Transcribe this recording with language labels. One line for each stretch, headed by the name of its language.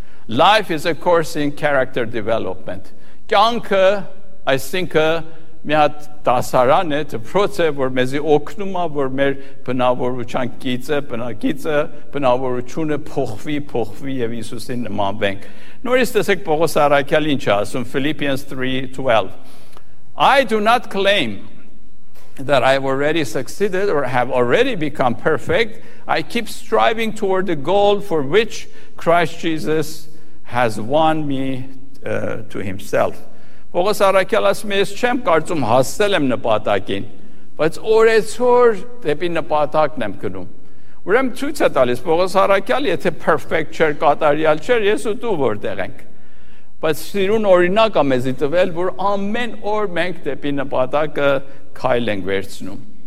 English: Life is a course in character development.
Armenian: Կյանքը, այսինքն, մի հատ դասարան է, դպրոց է, որ մեզի օգնում է, որ մեր բնավորության գիծը, բնավորությունը փոխվի և Հիսուսին նմանվենք։ Նորից տեսեք Պողոս առաքյալ ինչ է ասում, Philippians 3:12.
English: I do not claim that I have already succeeded or have already become perfect. I keep striving toward the goal for which Christ Jesus has won me to himself.
Armenian: Պողոս առաքյալ ասում է, ես չեմ կարծում հասել եմ նպատակին, բայց օրեցօր դեպի նպատակն եմ գնում։ Ուրեմն ցույց է տալիս Պողոս առաքյալ, եթե perfect չէր, կատարյալ չէր, ես ու դու որտեղ ենք։ Բայց սիրուն օրինակ է մեզի տվել, որ ամեն օր մենք դեպի նպատակը քայլ ենք վերցնում։